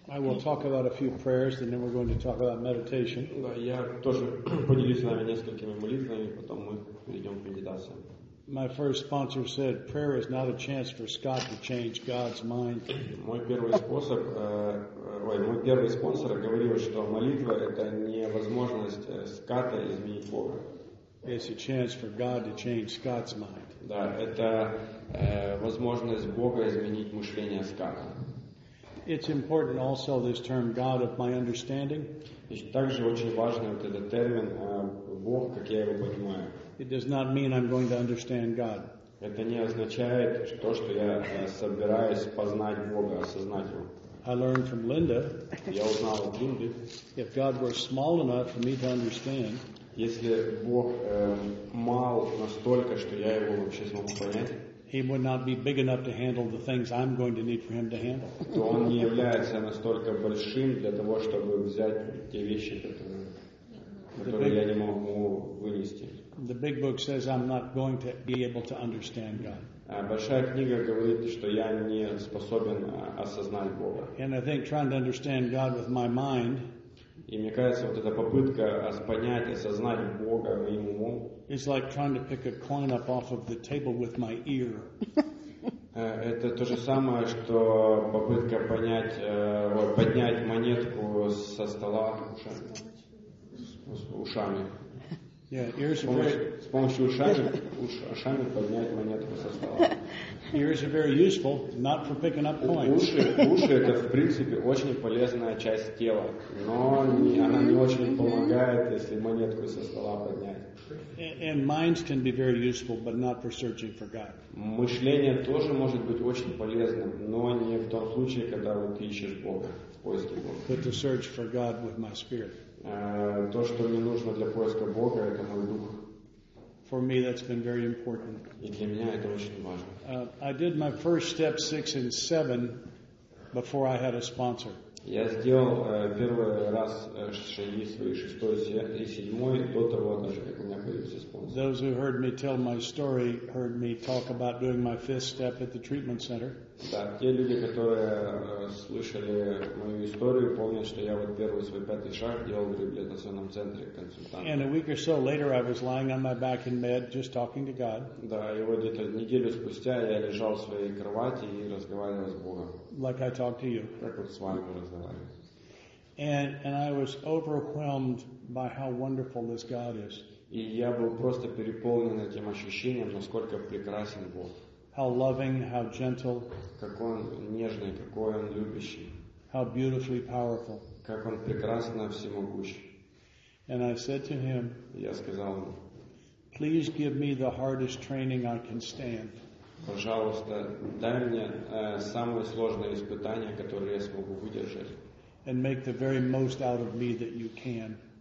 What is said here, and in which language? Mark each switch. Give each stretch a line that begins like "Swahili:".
English: I will talk about a few prayers, and then we're going to talk about meditation.
Russian: Я тоже поделюсь с вами несколькими молитвами, потом мы перейдем к медитации.
English: My first sponsor said prayer is not a chance for Scott to change God's mind.
Russian: Мой первый спонсор говорил, что молитва это не возможность Скотта изменить Бога.
English: It's a chance for God to change Scott's mind.
Russian: Да, это возможность Бога изменить мышление Скотта.
English: It's important also this term God of my understanding.
Russian: Также очень важен вот этот термин Бог, как я его понимаю.
English: It does not mean I'm going to understand God.
Russian: Это не означает то, что я собираюсь познать Бога, осознать его.
English: I learned from Linda.
Russian: Я узнал от Линды.
English: If God were small enough for me to understand.
Russian: Если Бог мал настолько, что я его вообще смогу понять.
English: He would not be big enough to handle the things I'm going to need for him to handle.
Russian: То он не является настолько большим для того, чтобы взять те вещи, которые я не могу вынести.
English: The big book says I'm not going to be able to understand God.
Russian: Большая книга говорит, что я не способен осознать Бога.
English: And I think trying to understand God with my mind.
Russian: И мне кажется, вот эта попытка понять и осознать Бога моим умом.
English: It's like trying to pick a coin up off of the table with my ear.
Russian: Это то же самое, что попытка поднять монетку со стола ушами. С помощью ушами поднять монетку со стола.
English: Ears are very useful, not for picking up coins.
Russian: Уши это в принципе очень полезная часть тела, но она не очень помогает, если монетку со стола поднять.
English: And minds can be very useful, but not for searching for God.
Russian: Мышление тоже может быть очень полезным, но не в том случае, когда вы ищешь Бога, в поиске Бога.
English: But to search for God with my spirit.
Russian: То, что мне нужно для поиска Бога, это мой дух.
English: For me, that's been very important.
Russian: И для меня это очень важно.
English: I did my first step 6 and 7 before I had a sponsor.
Russian: Я сделал первый раз шаги свои 6 и 7 до того, как у меня появился спонсор.
English: Those who heard me tell my story heard me talk about doing my fifth step at the treatment center.
Russian: Да, те люди, которые слышали мою историю, помнят, что я вот первый свой пятый шаг делал в реабилитационном центре консультанта.
English: And a week or so later, I was lying on my back in bed, just talking to God.
Russian: Да, и вот где-то неделю спустя я лежал в своей кровати и разговаривал с Богом.
English: Like I talked to you.
Russian: Как вот с вами разговаривал.
English: And I was overwhelmed by how wonderful this God is.
Russian: И я был просто переполнен этим ощущением, насколько прекрасен Бог.
English: How loving, how gentle.
Russian: Как он нежный, какой он любящий.
English: How beautifully powerful.
Russian: Как он прекрасно всемогущ.
English: And I said to him,
Russian: я сказал ему,
English: please give me the hardest training I can stand.
Russian: Пожалуйста, дай мне самое сложное испытание, которое я смогу выдержать.
English: And make the very most out of me that you can.